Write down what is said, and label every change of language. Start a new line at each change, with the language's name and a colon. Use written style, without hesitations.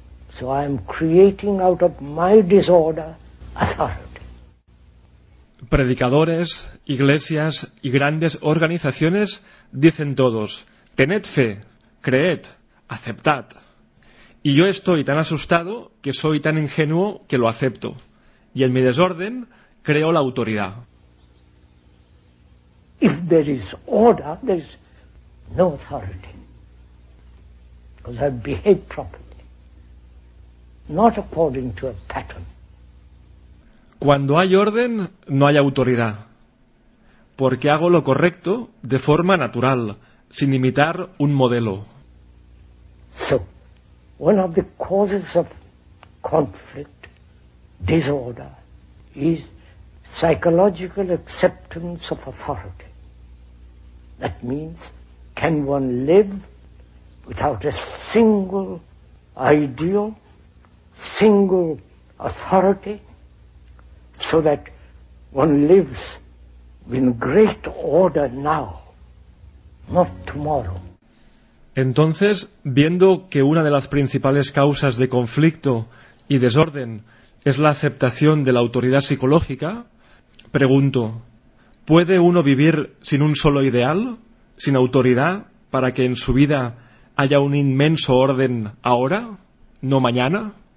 English: So I am creating out of my disorder authority.
Spanish: predicadores, iglesias y grandes organizaciones dicen todos: tened fe, creed, aceptad. Y yo estoy tan asustado que soy tan ingenuo que lo acepto. Y en mi desorden creo la autoridad.
English: If there is order, there is no authority. Because I behave properly. Not according to a pattern.
Spanish: Cuando hay orden, no hay autoridad. Porque hago lo correcto de forma natural, sin imitar un modelo.
English: So, one of the causes of conflict, disorder, is psychological acceptance of authority. That means, can one live without a single ideal, single authority, so that one lives in great order now, not tomorrow?
Spanish: Entonces, viendo que una de las principales causas de conflicto y desorden es la aceptación de la autoridad psicológica, pregunto: ¿puede uno vivir sin un solo ideal, sin autoridad, para que en su vida haya un inmenso orden ahora, no mañana?